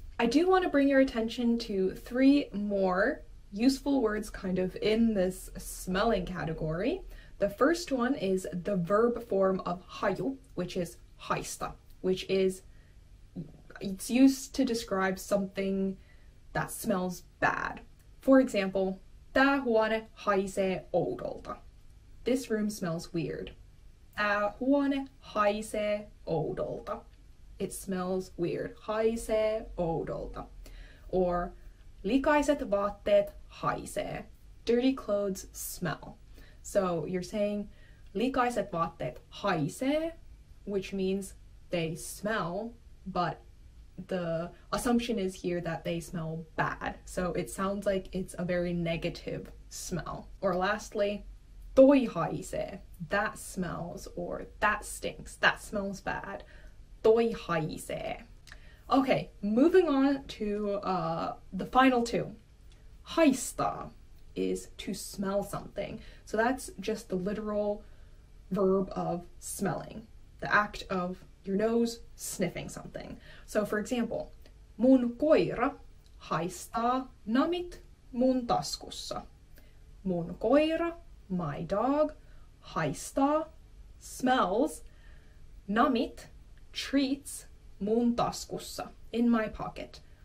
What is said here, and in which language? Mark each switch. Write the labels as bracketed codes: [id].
[en] I do want to bring your attention to three more useful words kind of in this smelling category. The first one is the verb form of haju, which is haista, which is, it's used to describe something that smells bad. For example, [fi] tää huone haisee oudolta. [en] This room smells weird. [fi] Tää huone haisee oudolta. [en] It smells weird. [fi] Haisee oudolta. Or likaiset vaatteet haisee. [en] Dirty clothes smell. So you're saying [fi] likaiset vaatteet haisee, [en] which means they smell, but the assumption is here that they smell bad. So it sounds like it's a very negative smell. Or lastly, [fi] toi haisee, [en] that smells, or that stinks, that smells bad. [fi] Toi haisee. [en] Okay, moving on to the final two. Haista is to smell something. So that's just the literal verb of smelling, the act of your nose sniffing something. So for example, [fi] mun koira haistaa namit mun taskussa. Mun koira, [en] my dog, [fi] haistaa, [en] smells, [fi] namit, [en] treats, [fi] mun taskussa, [en] in my pocket.